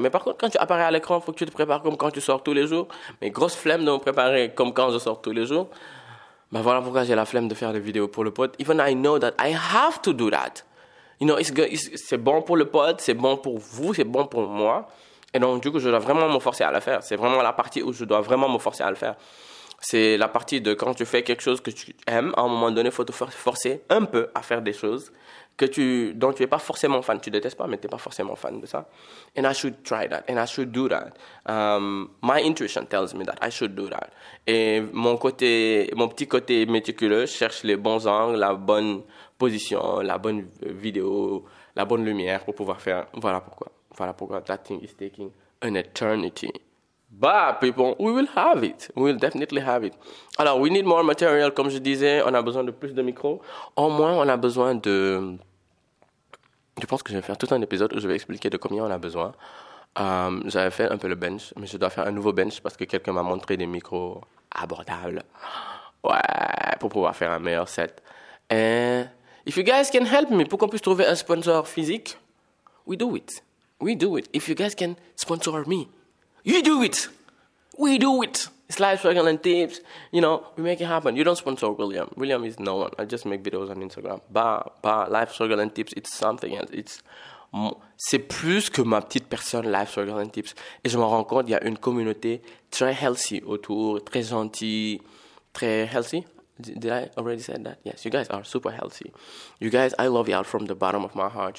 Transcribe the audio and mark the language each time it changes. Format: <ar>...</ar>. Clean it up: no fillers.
<fr>Mais par contre, quand tu apparais à l'écran, faut que tu te prépares comme quand tu sors tous les jours. Mais grosse flemme de me préparer comme quand je sors tous les jours. Ben voilà pourquoi j'ai la flemme de faire des vidéos pour le pod.</fr> <en>Even I know that I have to do that. You know,</en> <fr>c'est bon pour le pod, c'est bon pour vous, c'est bon pour moi. Et donc, du coup, je dois vraiment me forcer à le faire. C'est vraiment la partie où je dois vraiment me forcer à le faire. C'est la partie de quand tu fais quelque chose que tu aimes, à un moment donné, faut te forcer un peu à faire des choses. Dont tu n'es pas forcément fan, tu ne détestes pas, mais tu n'es pas forcément fan de ça.</fr> <en>And I should try that, and I should do that. My intuition tells me that I should do that.</en> <fr>Et mon petit côté méticuleux cherche les bons angles, la bonne position, la bonne vidéo, la bonne lumière pour pouvoir faire. Voilà pourquoi</fr> <en>that thing is taking an eternity. Bah, people, we will have it. We will definitely have it.</en> <fr>Alors,</fr> <en>we need more material,</en> <fr>comme je disais. On a besoin de plus de micros. Au moins, on a besoin de... Je pense que je vais faire tout un épisode où je vais expliquer de combien on a besoin. J'avais fait un peu le bench, mais je dois faire un nouveau bench parce que quelqu'un m'a montré des micros abordables. Ouais, pour pouvoir faire un meilleur set.</fr> <en>And if you guys can help me</en> <fr>pour qu'on puisse trouver un sponsor physique,</fr> <en>we do it. We do it. If you guys can sponsor me, you do it. We do it. It's life, struggle, and tips. You know, we make it happen. You don't sponsor William. William is no one. I just make videos on Instagram. Life, struggle, and tips. It's something else.</en> <fr>C'est plus que ma petite personne, life, struggle, and tips. Et je me rends compte, il y a une communauté très healthy autour, très gentille, très healthy.</fr> <en>Did I already say that? Yes, you guys are super healthy. You guys, I love y'all from the bottom of my heart.</en>